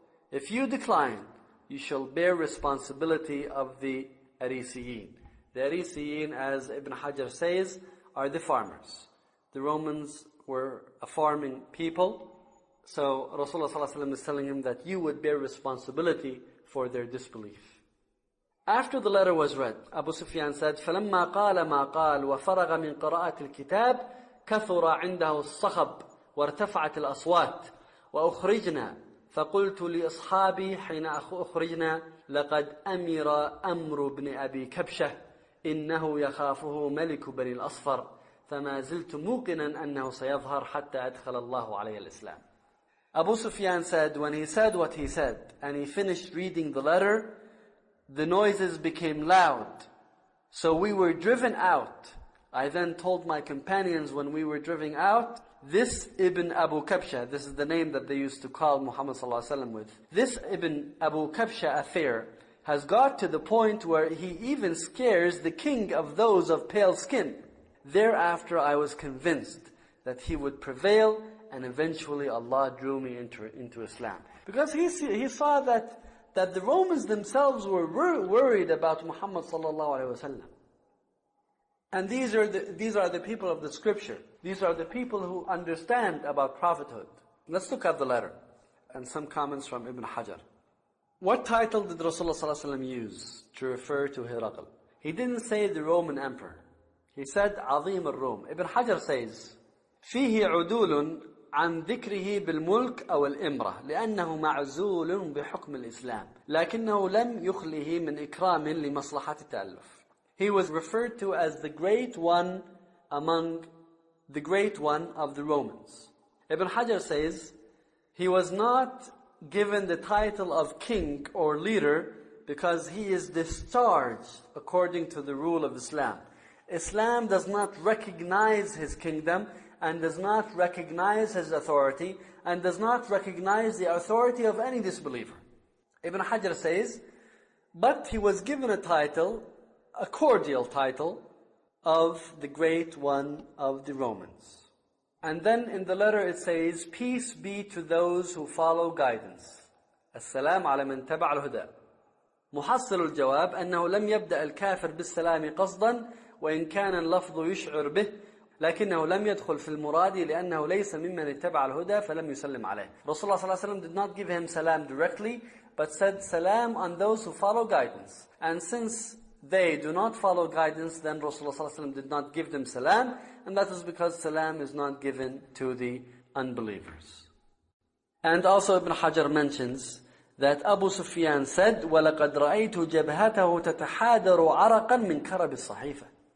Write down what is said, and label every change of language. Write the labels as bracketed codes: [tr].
[en] If you decline, you shall bear responsibility of the Arisiyin. The Arisiyin, as Ibn Hajar says, are the farmers. The Romans were a farming people. So Rasulullah ﷺ is telling him that you would bear responsibility for their disbelief. After the letter was read, Abu Sufyan said, [ar] فَلَمَّا قَالَ مَا قَالَ وَفَرَغَ مِنْ قَرَاءَةِ الْكِتَابِ كَثُرَ عِنْدَهُ الصَّخَبُ وَارْتَفَعَتِ الْأَصْوَاتِ وَأُخْرِجْنَا فَقُلْتُ لِأَصْحَابِي حِينَ أُخْرِجْنَا لَقَدْ أَمِرَ أَمْرُ بْنِ أَبِي كَبْشَةِ إِنَّهُ يَخَافُهُ مَلِكُ بَنِي الْأَصْفَرِ فَمَا زِلْتُ مُوقِنًا أَنَّهُ سَيَظْهَرْ حَتَّى أَدْخَلَ اللَّهُ عَلَيْهِ الْإِسْلَامِ. [en] Abu Sufyan said, when he said what he said, and he finished reading the letter, the noises became loud. So we were driven out. I then told my companions when we were driven out, this Ibn Abu Kabsha, this is the name that they used to call Muhammad sallallahu alaihi wasallam with, this Ibn Abu Kabsha affair has got to the point where he even scares the king of those of pale skin. Thereafter I was convinced that he would prevail, and eventually Allah drew me into Islam. Because he saw that the Romans themselves were worried about Muhammad sallallahu alaihi wasallam. And these are the people of the scripture. These are the people who understand about prophethood. Let's look at the letter and some comments from Ibn Hajar. What title did Rasulullah sallallahu alaihi wasallam use to refer to Hiraql? He didn't say the Roman emperor. He said Azim al-Rum. Ibn Hajar says, [ar] فيه عدول عن ذكره بالملك أو الإمرة لأنه معزول بحكم الإسلام لكنه لم يخله من إكرام لمصلحة التألف. [en] He was referred to as the great one among the great one of the Romans. Ibn Hajar says, he was not given the title of king or leader because he is discharged according to the rule of Islam. Islam does not recognize his kingdom and does not recognize his authority and does not recognize the authority of any disbeliever. Ibn Hajar says, but he was given a title, a cordial title of the great one of the Romans. And then in the letter it says, peace be to those who follow guidance. [ar] السلام على من تبع الهدى. محصل الجواب أنه لم يبدأ الكافر بالسلام قصدا وإن كان اللفظ يشعر به لكنه لم يدخل في المراد لأنه ليس ممن اتبع الهدى فلم يسلم عليه. [en] رسول الله صلى الله عليه وسلم did not give him salam directly but said salam on those who follow guidance. And since they do not follow guidance, then Rasulullah ﷺ did not give them salam, and that is because salam is not given to the unbelievers. And also Ibn Hajar mentions that Abu Sufyan said, [ar] وَلَقَدْ رَأَيْتُ جَبْهَتَهُ تَتَحَادَرُ عَرَقًا مِنْ كَرَبِ الصَّحِيفَةِ.